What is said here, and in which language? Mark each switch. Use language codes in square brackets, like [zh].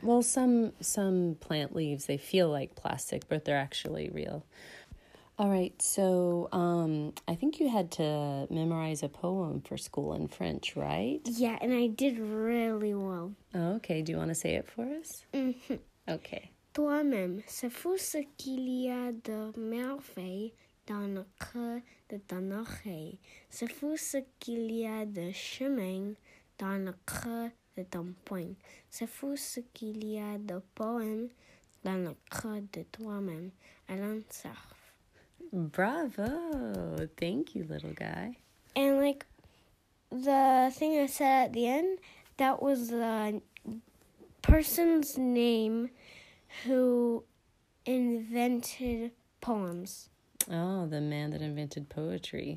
[en] Well, some plant leaves, they feel like plastic, but they're actually real. All right. So I think you had to memorize a poem for school in French, right? Yeah, and I did really well. Okay. Do you want to say it for us? Mm-hmm. Okay. [fr] Toi-même, c'est fou ce qu'il y a de merveille dans le cœur de ton oreille. C'est fou ce qu'il y a de chemin dans le creux de ton poing. C'est fou ce qu'il y a de poème dans le creux de toi-même. Alain Cerf. [en] Bravo! Thank you, little guy. And, like, the thing I said at the end, that was the person's name who invented poems. Oh, the man that invented poetry.